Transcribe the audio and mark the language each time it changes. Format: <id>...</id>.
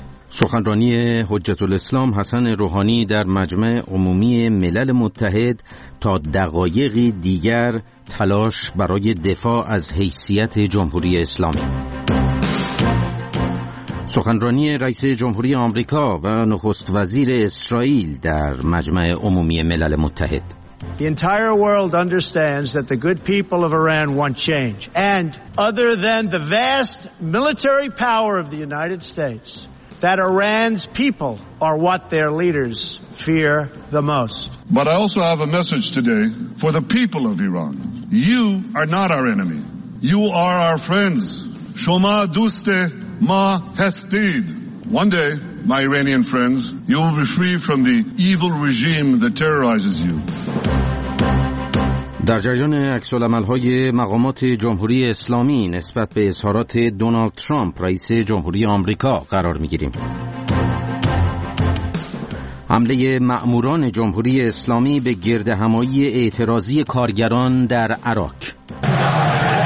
<fa>سخنرانی حجت الاسلام حسن روحانی در مجمع عمومی ملل متحد تا دقایقی دیگر تلاش برای دفاع از حیثیت جمهوری اسلامی. سخنرانی رئیس جمهوری آمریکا و نخست وزیر اسرائیل در مجمع عمومی ملل متحد.</fa> <en>The entire world understands that the good people of Iran want change, and other than the vast military power of the United States, that Iran's people are what their leaders fear the most. But I also have a message today for the people of Iran. You are not our enemy. You are our friends.</en> <fa>Shoma duste ma hastid.</fa> <en>One day, my Iranian friends, you will be free from the evil regime that terrorizes you.</en> <fa>در جریان عکس‌العمل‌های مقامات جمهوری اسلامی نسبت به اظهارات دونالد ترامپ رئیس جمهوری آمریکا قرار می‌گیریم. حمله مأموران جمهوری اسلامی به گردهمایی اعتراضی کارگران در عراق.</fa>